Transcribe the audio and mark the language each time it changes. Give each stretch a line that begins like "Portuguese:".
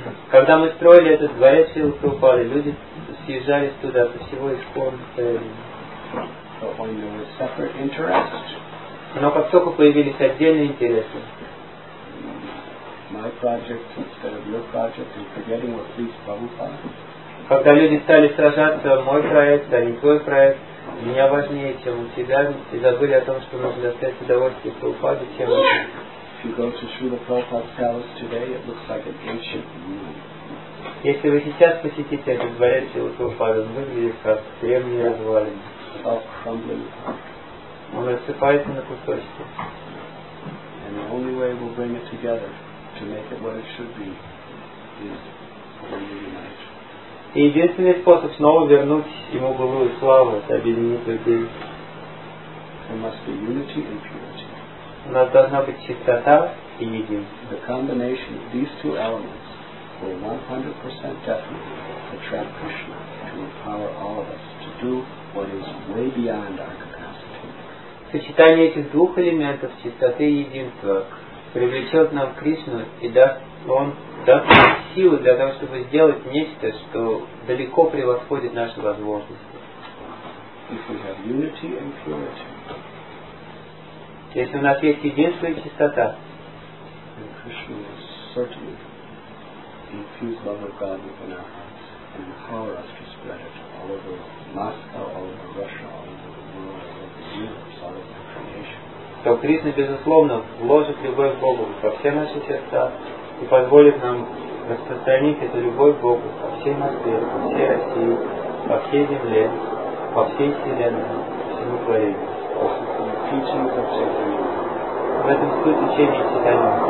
Russian: когда мы строили этот дворец, все упали, люди съезжались туда со всего ISKCON.
English: So when there was separate interest,
Russian: но как только появились отдельные интересы,
English: my project instead of your project, and forgetting what pleased Prabhupada.
Russian: Когда люди стали сражаться, мой проект, а не твой проект, меня важнее, чем у тебя, и забыли о том, что нужно достать удовольствие Прабхупаде, чем у тебя.
English: If you go to Srila Prabhupada's palace today, it looks like an ancient ruin.
Russian: Если вы сейчас посетите этот дворец Srila Prabhupada, он выглядит как древний развалин. Он рассыпается на кусочки.
English: And the only way we'll bring it together to make it what it should be is when we unite.
Russian: И единственный способ снова вернуть ему былую славу, это объединить людей.
English: There must be unity and purity.
Russian: У нас должна быть чистота и единство.
English: The combination of these two elements will 100% definitely attract Krishna to empower all of us to do what is way beyond our capacity.
Russian: Сочетание этих двух элементов, чистоты и единства, привлечет нам Кришну и даст Он даст нам силы для того, чтобы сделать нечто, что далеко превосходит наши возможности.
English: If we have unity and purity,
Russian: если у нас есть единство и чистота,
English: then Krishna will certainly infuse love of God within our hearts and empower us to spread it all over Moscow, all over Russia, all over the world, all over the universe, all over the creation.
Russian: То Кришна, безусловно, вложит любовь к Богу во все наши сердца и позволит нам распространить эту любовь к Богу по всей Москве, по всей России, по всей Земле, по всей Вселенной, по всему творению. В этом суть учения Читания.